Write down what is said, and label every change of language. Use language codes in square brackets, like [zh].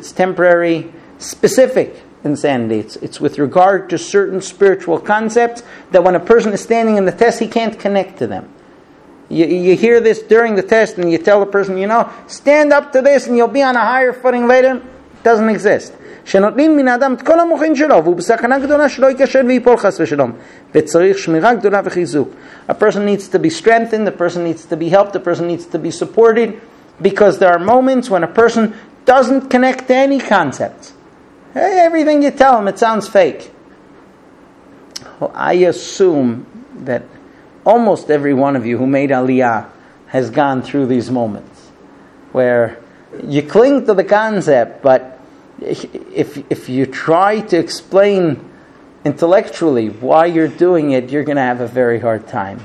[en] It's temporary specific insanity. It's with regard to certain spiritual concepts that when a person is standing in the test, he can't connect to them. You hear this during the test and you tell the person, you know, stand up to this and you'll be on a higher footing later. It doesn't exist. [he] שנותנים מן האדם את כל המוחין שלו, והוא בסכנה גדולה שלא יקשן ויפול חס ושלום. וצריך שמירה גדולה וחיזוק. [en] A person needs to be strengthened, a person needs to be helped, a person needs to be supported, because there are moments when a person doesn't connect to any concepts. Hey, everything you tell them, it sounds fake. Well, I assume that almost every one of you who made Aliyah has gone through these moments, where you cling to the concept, but if you try to explain intellectually why you're doing it, you're going to have a very hard time.